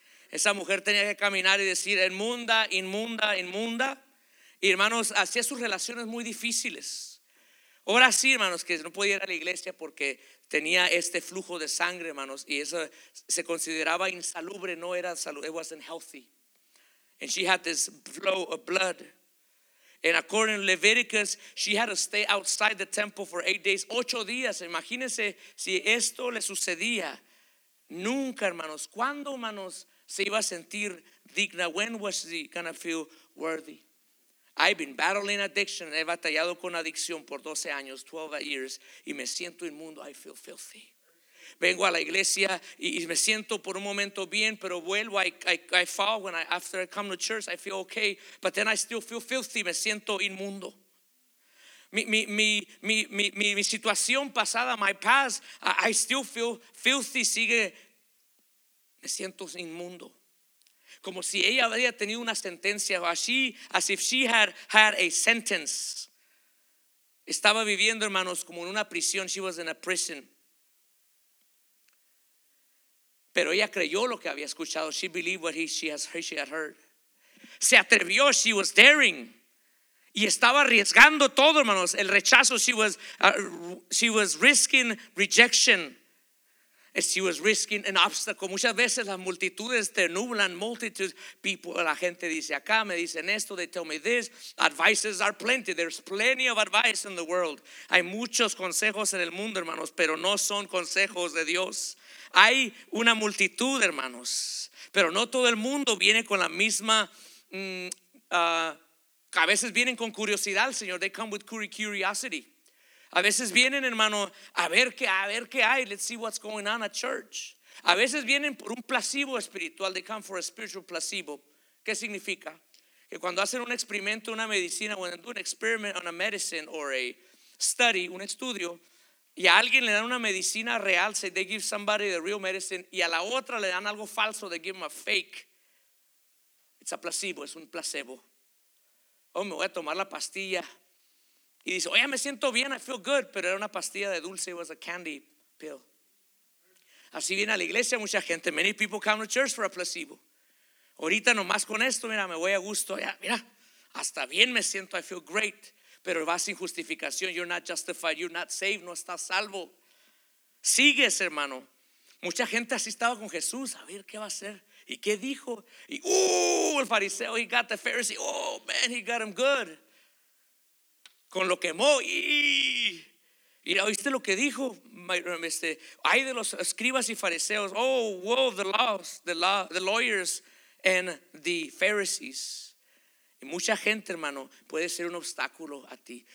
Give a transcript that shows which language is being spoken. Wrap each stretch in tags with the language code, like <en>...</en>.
<es>Esa mujer tenía que caminar y decir inmunda, inmunda, inmunda. Y hermanos, hacía sus relaciones muy difíciles. Ahora sí, hermanos, que no podía ir a la iglesia porque tenía este flujo de sangre, hermanos, y eso se consideraba insalubre, no era salud,</es> <en>it wasn't healthy. And she had this flow of blood. And according to Leviticus, she had to stay outside the temple for 8 days,</en> <es>8 días. Imagínense si esto le sucedía. Nunca, hermanos, ¿cuándo, hermanos, se iba a sentir digna?</es> <en>When was she gonna feel worthy? I've been battling addiction.</en> <es>He batallado con adicción por 12 años,</es> <en>12 years,</en> <es>y me siento inmundo.</es> <en>I feel filthy.</en> <es>Vengo a la iglesia y me siento por un momento bien, pero vuelvo.</es> <en>I fall when after I come to church. I feel okay, but then I still feel filthy.</en> <es>Me siento inmundo. Mi situación pasada,</es> <en>my past, I still feel filthy.</en> <es>Sigue. Me siento inmundo. Como si ella había tenido una sentencia,</es> <en>as if she had a sentence.</en> <es>Estaba viviendo, hermanos, como en una prisión.</es> <en>She was in a prison.</en> <es>Pero ella creyó lo que había escuchado.</es> <en>She believed what she had heard.</en> <es>Se atrevió.</es> <en>She was daring.</en> <es>Y estaba arriesgando todo, hermanos. El rechazo.</es> <en>She was risking rejection. She was risking an obstacle.</en> <es>Muchas veces las multitudes te nublan. Multitudes, people, la gente dice acá, me dicen esto,</es> <en>they tell me this. Advices are plenty. There's plenty of advice in the world.</en> <es>Hay muchos consejos en el mundo, hermanos, pero no son consejos de Dios. Hay una multitud, hermanos, pero no todo el mundo viene con la misma. A veces vienen con curiosidad, Señor.</es> <en>They come with curiosity.</en> <es>A veces vienen, hermano, a ver qué hay.</es> <en>Let's see what's going on at church.</en> <es>A veces vienen por un placebo espiritual.</es> <en>They come for a spiritual placebo.</en> <es>¿Qué significa? Que cuando hacen un experimento, una medicina,</es> <en>when they do an experiment on a medicine or a study,</en> <es>un estudio, y a alguien le dan una medicina real,</es> <en>say they give somebody the real medicine,</en> <es>y a la otra le dan algo falso,</es> <en>they give them a fake. It's a placebo,</en> <es>es un placebo. Oh, me voy a tomar la pastilla. Y dice, oye, me siento bien,</es> <en>I feel good.</en> <es>Pero era una pastilla de dulce,</es> <en>it was a candy pill.</en> <es>Así viene a la iglesia mucha gente.</es> <en>Many people come to church for a placebo.</en> <es>Ahorita nomás con esto, mira, me voy a gusto. Ya, mira, hasta bien me siento,</es> <en>I feel great.</en> <es>Pero va sin justificación,</es> <en>you're not justified, you're not saved,</en> <es>no estás salvo. Sigues, hermano. Mucha gente así estaba con Jesús, a ver qué va a hacer. ¿Y qué dijo? Y el fariseo,</es> <en>he got the Pharisee, oh man, he got him good.</en> <es>Con lo quemó, y ¿oíste lo que dijo? Ay de los escribas y fariseos,</es> <en>oh, wow, the lawyers and the Pharisees.</en> <es>Y mucha gente, hermano, puede ser un obstáculo a ti.</es>